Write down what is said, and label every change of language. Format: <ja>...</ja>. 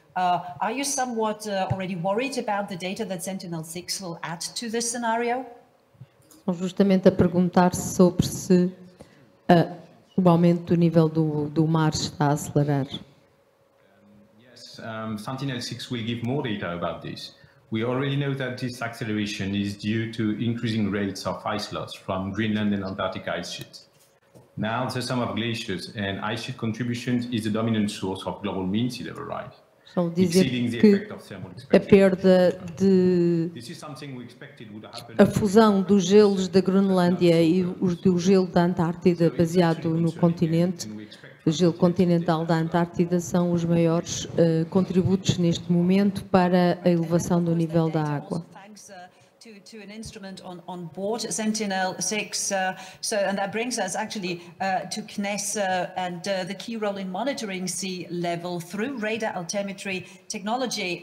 <en>Are you somewhat already worried about the data that Sentinel-6 will add to this scenario?</en> <pt>Justamente a perguntar sobre se o aumento do nível do mar está a acelerar.</pt> <en>Yes, Sentinel-6 will give more data about this. We already know that this acceleration is due to increasing rates of ice loss from Greenland and Antarctic ice sheets. Now, the sum of glaciers and ice sheet contributions is the dominant source of global mean sea level rise, exceeding the effect of thermal expansion.</en> <pt>A perda de...</pt> <en>This is something we expected would happen.</en> <pt>A fusão dos gelos da Groenlândia e os do gelo da Antártida baseado no continente, o gelo continental da Antártida, são os maiores contributos neste momento para a elevação do nível da água.</pt> <en>To an instrument on board Sentinel-6, so and that brings us actually to CNES and the key role in monitoring sea level through radar altimetry technology.</en>